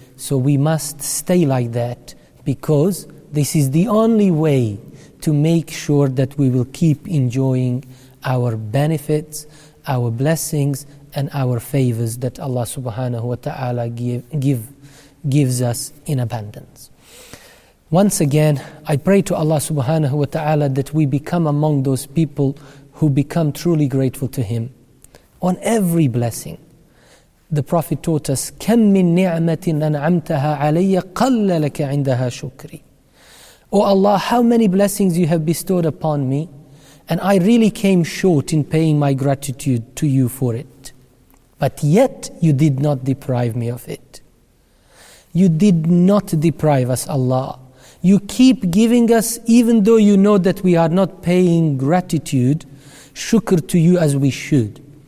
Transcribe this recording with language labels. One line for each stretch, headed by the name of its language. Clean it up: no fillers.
English: So we must stay like that, because this is the only way to make sure that we will keep enjoying our benefits, our blessings, and our favors that Allah subhanahu wa ta'ala gives us in abundance. Once again, I pray to Allah subhanahu wa ta'ala that we become among those people who become truly grateful to Him on every blessing. The Prophet taught us,
Arabic: كَمْ مِن نِعْمَةٍ أَنْعَمْتَهَا عَلَيَّ قَلَّ لَكَ عِنْدَهَا شُكْرِي.
English: O Allah, how many blessings You have bestowed upon me, and I really came short in paying my gratitude to You for it. But yet You did not deprive me of it. You did not deprive us, Allah. You keep giving us, even though You know that we are not paying gratitude, shukr to You as we should.